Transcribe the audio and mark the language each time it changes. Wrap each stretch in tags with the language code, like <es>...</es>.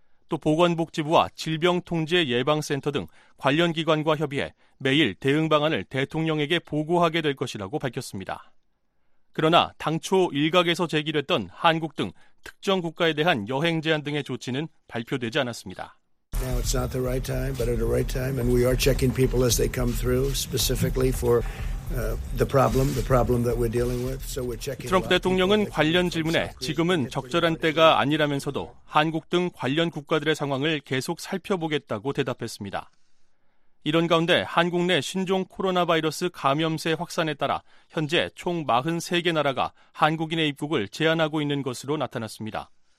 <ko>또 보건복지부와 질병통제예방센터 등 관련 기관과 협의해 매일 대응 방안을 대통령에게 보고하게 될 것이라고 밝혔습니다. 그러나 당초 일각에서 제기됐던 한국 등 특정 국가에 대한 여행 제한 등의 조치는 발표되지 않았습니다.</ko> <en>Now it's not the right time, but at the right time, and we are checking people as they come through specifically for the problem that we're dealing with. So we're checking.</en> <ko>트럼프 대통령은 관련 질문에 지금은 적절한 때가 아니라면서도 한국 등 관련 국가들의 상황을 계속 살펴보겠다고 대답했습니다. 이런 가운데 한국 내 신종 코로나 바이러스 감염세 확산에 따라 현재 총 43개 나라가 한국인의 입국을 제한하고 있는 것으로 나타났습니다.</ko>